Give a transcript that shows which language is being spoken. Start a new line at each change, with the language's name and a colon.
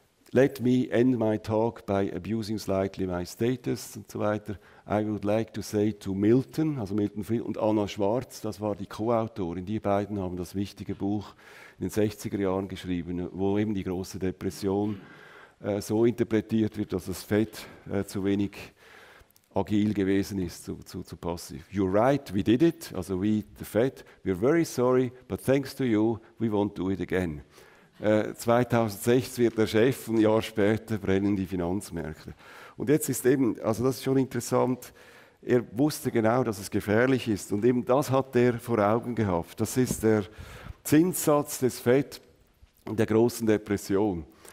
English: let me end my talk by abusing slightly my status
German: und so weiter,
English: I would like to say to Milton,
German: also Milton Friedman und Anna Schwarz, das war die Co-Autorin, die beiden haben das wichtige Buch in den 60er Jahren geschrieben, wo eben die große Depression so interpretiert wird, dass das Fett zu wenig agil gewesen ist, zu passiv.
English: You're right, we did it, also we, the Fed, we're very sorry, but thanks to you, we won't do it again.
German: 2006 wird der Chef, ein Jahr später brennen die Finanzmärkte. Und jetzt ist eben, also das ist schon interessant, er wusste genau, dass es gefährlich ist und eben das hat er vor Augen gehabt. Das ist der Zinssatz des Fed und der großen Depression.